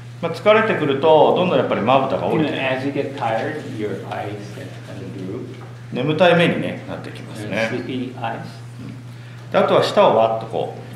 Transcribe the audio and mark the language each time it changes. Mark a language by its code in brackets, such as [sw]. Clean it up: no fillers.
[ja] 疲れてくると、どんどんやっぱりまぶたが折れて、 [en] as you get tired, your eyes kind of droop. [ja] 眠たい目に、ね、なってきますね。 [en] Sleepy eyes. [ja] で、あとは舌をわっとこう。